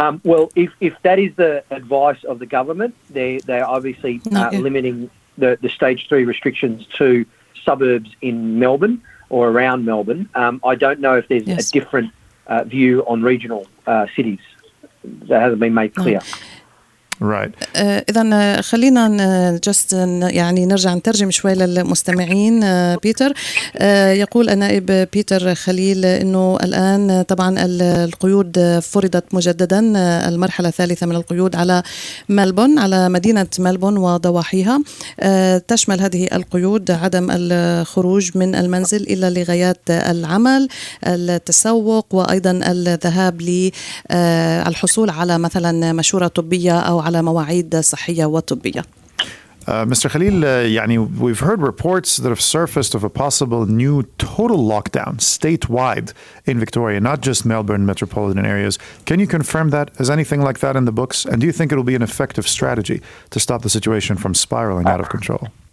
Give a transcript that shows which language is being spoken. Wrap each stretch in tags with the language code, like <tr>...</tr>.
<en>Well, if that is the advice of the government, they're obviously limiting the stage 3 restrictions to suburbs in Melbourne or around Melbourne. I don't know if there's a different view on regional cities. That hasn't been made clear. Right.</en> <ar>إذن خلينا just يعني نرجع نترجم شوي للمستمعين. بيتر يقول النائب بيتر خليل إنه الآن طبعا القيود فرضت مجددا، المرحلة الثالثة من القيود على ملبون، على مدينة ملبون وضواحيها. تشمل هذه القيود عدم الخروج من المنزل إلا لغايات العمل، التسوق، وأيضا الذهاب للحصول على مثلا مشورة طبية أو على مواعيد صحية وطبية.</ar> <en>Mr. Khalil, we've heard reports that have surfaced of a possible new total lockdown statewide in Victoria, not just Melbourne metropolitan areas. Can you confirm that? Is anything like that in the books? And do you think it will be an effective strategy to stop the situation from spiraling out of control?</en>